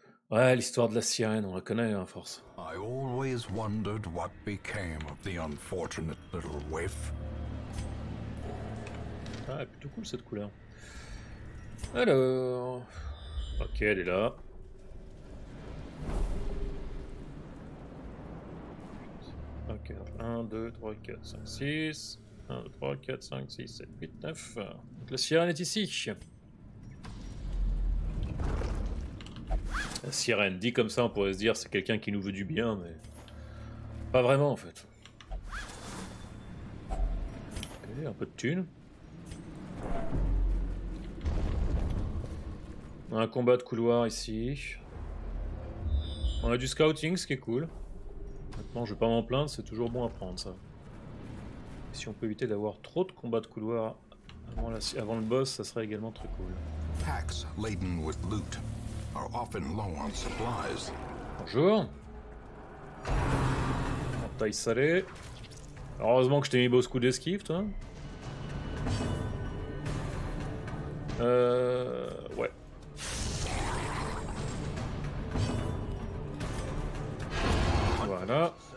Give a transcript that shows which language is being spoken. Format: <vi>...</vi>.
<fr>Ouais, l'histoire de la sirène, on la connaît, hein, force.</fr> <en>I always wondered what became of the unfortunate little waif.</en> <fr>Ah, plutôt cool cette couleur. Alors, ok, elle est là. Ok, 1, 2, 3, 4, 5, 6. 1, 2, 3, 4, 5, 6, 7, 8, 9. Donc la sirène est ici. La sirène, dit comme ça, on pourrait se dire c'est quelqu'un qui nous veut du bien, mais. Pas vraiment en fait. Ok, un peu de thune. Un combat de couloir ici. On a du scouting, ce qui est cool. Maintenant, je vais pas m'en plaindre, c'est toujours bon à prendre ça. Et si on peut éviter d'avoir trop de combats de couloir avant, avant le boss, ça serait également très cool.</fr> <en>Packs laden with loot are often low on supplies.</en> <fr>Bonjour. En taille salée. Alors, heureusement que je t'ai mis beau coup d'esquive, toi. Ouais. Voilà.</fr>